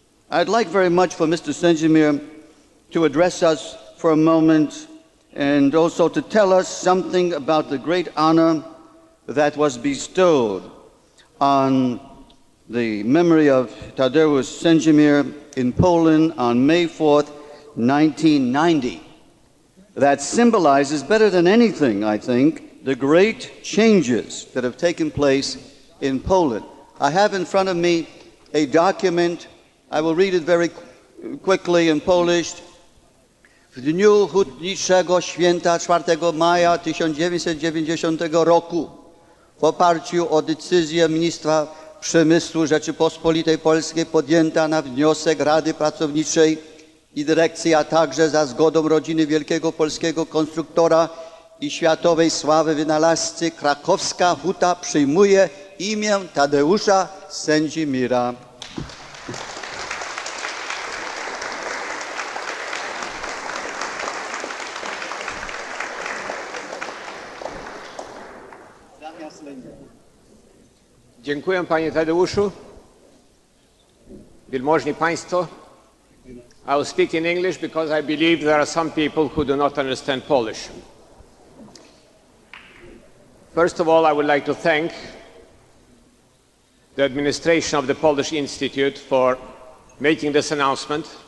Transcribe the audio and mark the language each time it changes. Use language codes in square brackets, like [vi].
[en] I'd like very much for Mr. Sengimir to address us for a moment and also to tell us something about the great honor that was bestowed on the memory of Tadeusz Sengimir in Poland on May 4th, 1990, that symbolizes better than anything, I think, the great changes that have taken place in Poland. I have in front of me a document. I will read it very quickly in Polish. [pl] W dniu hutniczego święta 4 maja 1990 roku w oparciu o decyzję Ministra Przemysłu Rzeczypospolitej Polskiej podjęta na wniosek Rady Pracowniczej i Dyrekcji, a także za zgodą rodziny wielkiego polskiego konstruktora i światowej sławy wynalazcy, krakowska huta przyjmuje imię Tadeusza Sengimira. Dziękuję, panie Tadeuszu. Wielmożni państwo. [en] I will speak in English because I believe there are some people who do not understand Polish. First of all, I would like to thank the administration of the Polish Institute for making this announcement.